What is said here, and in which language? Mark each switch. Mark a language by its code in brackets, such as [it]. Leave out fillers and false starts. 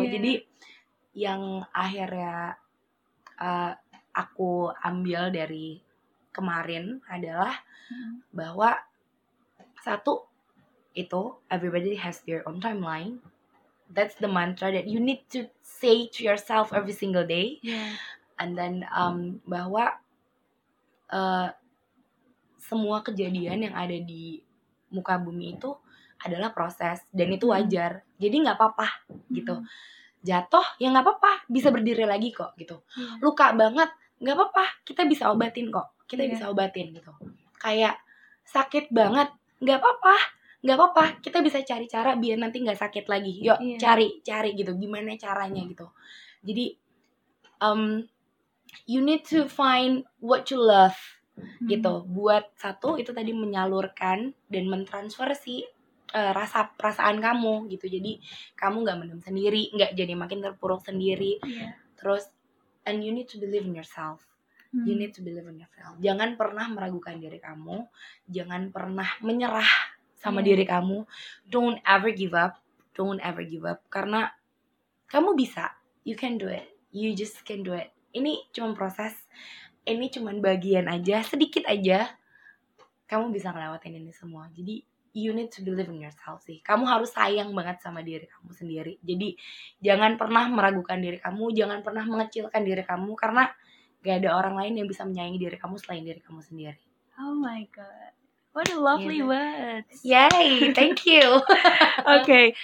[id] Jadi yang akhirnya aku ambil dari kemarin adalah bahwa satu itu, [en] everybody has their own timeline. That's the mantra that you need to say to yourself every single day. And then [id] bahwa semua kejadian yang ada di muka bumi itu adalah proses, dan itu wajar. Jadi gak apa-apa gitu. Jatuh ya gak apa-apa, bisa berdiri lagi kok gitu. Luka banget, gak apa-apa, kita bisa obatin kok. Kita bisa obatin gitu. Kayak sakit banget, gak apa-apa. Kita bisa cari cara biar nanti gak sakit lagi. Yuk cari gitu, gimana caranya gitu. Jadi [en] you need to find what you love [id] gitu. Buat satu, itu tadi menyalurkan dan mentransfer si rasa perasaan kamu gitu. Jadi kamu gak mendem sendiri, gak jadi makin terpuruk sendiri. Terus, [en] and you need to believe in yourself. You need to believe in yourself. [id] Jangan pernah meragukan diri kamu. Jangan pernah menyerah sama yeah. diri kamu. [en] Don't ever give up. Don't ever give up. [id] Karena kamu bisa. [en] You can do it. You just can do it. [id] Ini cuma proses. Ini cuma bagian aja. Sedikit aja. Kamu bisa ngelewatin ini semua. [en] Jadi you need to believe in yourself sih. [id] Kamu harus sayang banget sama diri kamu sendiri. Jadi jangan pernah meragukan diri kamu. Jangan pernah mengecilkan diri kamu. Karena gak ada orang lain yang bisa menyayangi diri kamu selain diri kamu sendiri. [en] Oh my God. What a lovely yeah. words. Yay, thank you. Oke. Okay.